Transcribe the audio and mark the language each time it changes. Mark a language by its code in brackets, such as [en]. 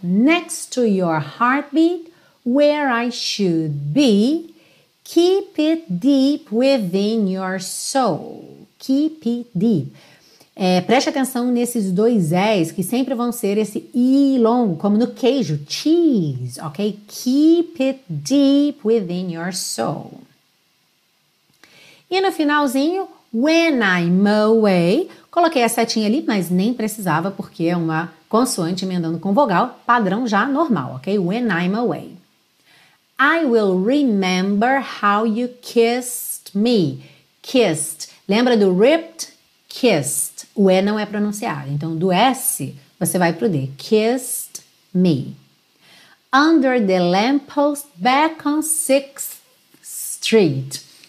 [en] Next to your heartbeat, where I should be, keep it deep within your soul. Keep it deep. [pt] É, preste atenção nesses dois E's que sempre vão ser esse I longo, como no queijo, cheese, ok? [en] Keep it deep within your soul. [pt] E no finalzinho, [en] when I'm away, [pt] coloquei a setinha ali, mas nem precisava porque é uma consoante emendando com vogal, padrão já normal, ok? [en] When I'm away. I will remember how you kissed me. Kissed. [pt] Lembra do [en] ripped? Kissed. [pt] O E não é pronunciado. Então, do S, você vai pro D. [en] Kissed me. Under the lamppost back on 6th Street.